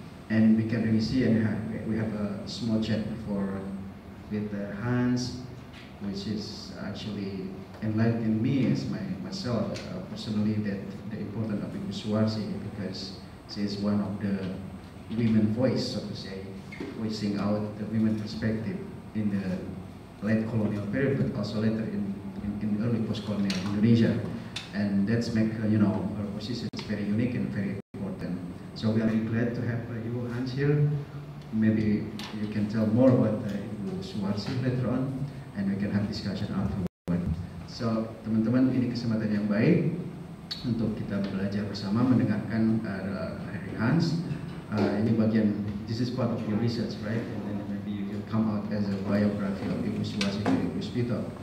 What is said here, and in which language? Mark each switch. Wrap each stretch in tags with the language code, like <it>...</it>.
<en>And we can really see, and we have a small chat before with Hans, which is actually enlightening me as myself personally, that the importance of Ibu Suwarsi, because she is one of the women voice, so to say, voicing out the women perspective in the late colonial period, but also later in early post-colonial Indonesia. And that's make her, you know, her position is very unique and very important. So we are really glad to have you, Hans, here. Maybe you can tell more about Ibu Suwarsi later on, and we can have discussion afterward.</en> <id>So, teman-teman, ini kesempatan yang baik untuk kita belajar bersama, mendengarkan dari Hans. Ini bagian,</id> <en>this is part of your research, right? And then maybe you can come out as a biography of Ibu Suwarsi and Ibu Suwito.</en>